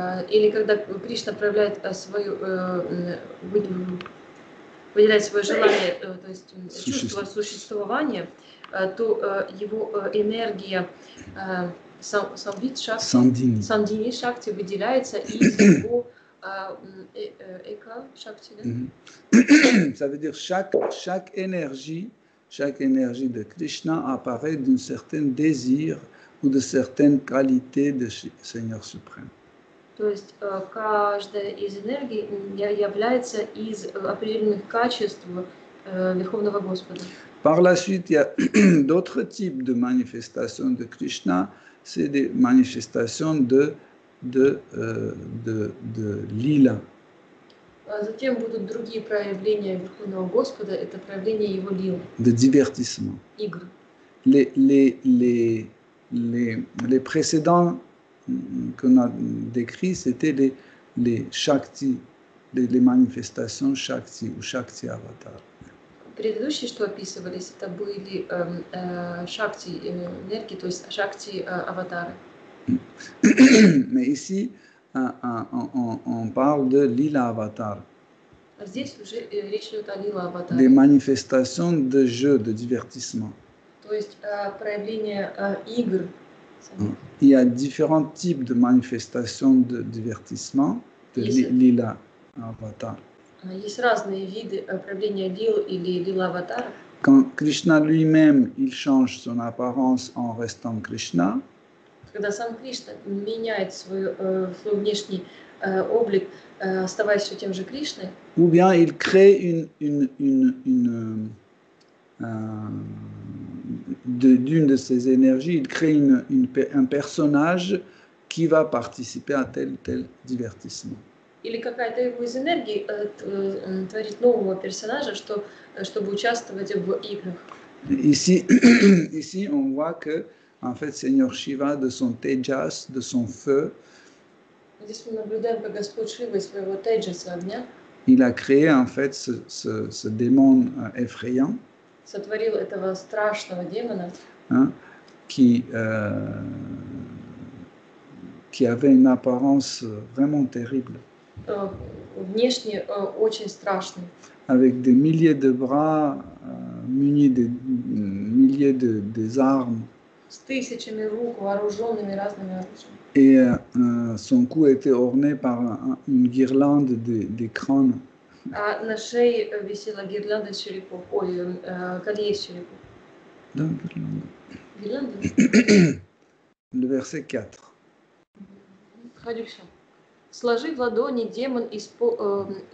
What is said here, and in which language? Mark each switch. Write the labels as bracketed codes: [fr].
[ru] Или когда Кришна проявляет свою выделяет свое желание, то есть чувство существования, то его энергия сандини шакти выделяется из его эка шакти. [fr] Ça veut dire chaque énergie de Krishna apparaît d'une certaine désir ou de certaines qualités de Seigneur Suprême. [ru] То есть каждая из энергий является из определенных качеств Верховного Господа. [fr] Par la suite, il y a d'autres types de manifestations de Krishna. C'est des manifestations de лила. [ru] Затем будут другие проявления Верховного Господа. Это проявление его лил. [fr] De divertissement. [ru] Игр. [fr] Les précédents qu'on a décrit, c'était les shakti, les manifestations shakti ou shakti avatar. [ru] Предыдущие, что описывались, это были shakti энергии, то есть shakti аватары. [fr] Mais ici, on parle de lila avatar. [ru] Здесь уже речь идет о лила аватаре. [fr] Les manifestations de jeu, de divertissement. [ru] То есть проявление игр. [fr] Il y a différents types de manifestations de divertissement de lila avatar. Il y a différents types de [ru] проявления лил или лила аватара. [fr] Quand Krishna lui-même il change son apparence en restant Krishna. [ru] Когда сам Кришна меняет свой внешний облик, оставаясь все тем же Кришной. [fr] Ou bien il crée d'une de ses énergies, il crée un personnage qui va participer à tel divertissement. Il y a [ru] какая-то его из энергии творит нового персонажа, чтобы участвовать в играх. [fr] Ici, on voit que, en fait, Seigneur Shiva, de son tejas, de son feu. [ru] Здесь мы наблюдаем, как Господь Шива из своего теджаса огня. [fr] Il a créé en fait ce démon effrayant. [ru] Сотворил этого страшного демона. [fr] Qui avait une apparence vraiment terrible. [ru] Внешне очень страшный. [fr] Avec des milliers de bras, munis de milliers de armes. [ru] С тысячами рук, вооруженными разными оружиями. [fr] Et son cou était orné par une guirlande de crânes. [ru] А на шее висела гирлянда черепов, ой, колье черепов. Да, гирлянда. Гирлянда. [fr] Le verset 4. [ru] Хорошо. Сложи в ладони демон из по...